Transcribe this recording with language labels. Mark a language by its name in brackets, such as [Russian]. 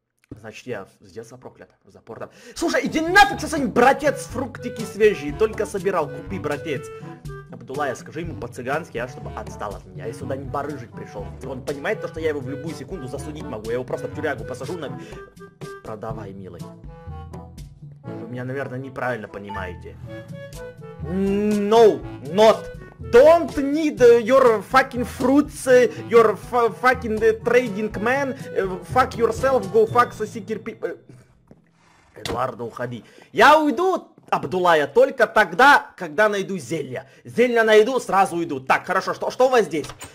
[Russian] Значит, я с детства проклят, запор там. Слушай, иди нафиг со своим, братец, фруктики свежие, только собирал, купи, братец. Абдулая, скажи ему по-цыгански, а чтобы отстал от меня, я сюда не барыжить пришел. Он понимает то, что я его в любую секунду засудить могу, я его просто в тюрягу посажу на... Продавай, милый. Вы меня, наверное, неправильно понимаете. [English] No, not. Don't need your fucking fruits, your fucking trading man, fuck yourself, go fuck the seeker people. [Russian] Эдуардо, уходи. Я уйду, Абдулая, только тогда, когда найду зелья. Зелья найду, сразу уйду. Так, хорошо, что у вас здесь?